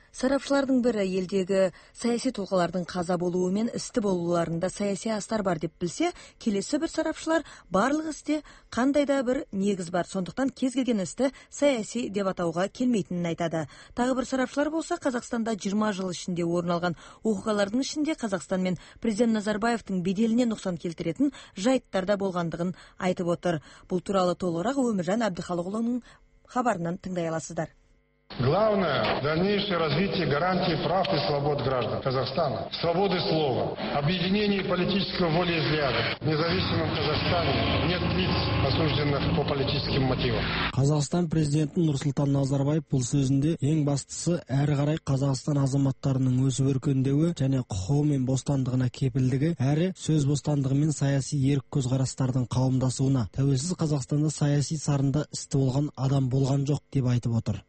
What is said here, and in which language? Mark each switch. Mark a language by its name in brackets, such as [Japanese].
[Kazakh] Сарапшылардың бірі елдегі саяси тұлғалардың қаза болуы мен істі болуларында саяси астар бар деп білсе, келесі бір сарапшылар барлық істе қандай да бір негіз бар, сондықтан кез келген істі саяси деп атауға келмейтінін айтады. Тағы бір сарапшылар болса, Қазақстанда 20 жыл ішінде орын алған оқиғалардың ішінде Қазақстан мен президент Назарбаевтың беделіне нұқсан келтіретін жайттар да болғандығын айтып отыр. Бұл туралы толығырақ Өміржан Әбдіхалықұлының хабарынан тыңдай аласыздар. [Russian] Главное – дальнейшее развитие гарантий прав и свобод граждан Казахстана, свободы слова, объединение политического волеизъявления. В независимом Казахстане нет лиц, осужденных по политическим мотивам. [Kazakh] Казахстан президенті Нұрсұлтан Назарбаев бұл сөзінде ең бастысы әрі қарай Қазақстан азаматтарының өсіп өркендеуі және құқығы мен бостандығына кепілдігі, әрі сөз бостандығы мен саяси ерік көзқарастардың қауымдасуына. Тәуелсіз Қазақстанда саяси сарында істі болған адам болған жоқ деп айтып отыр.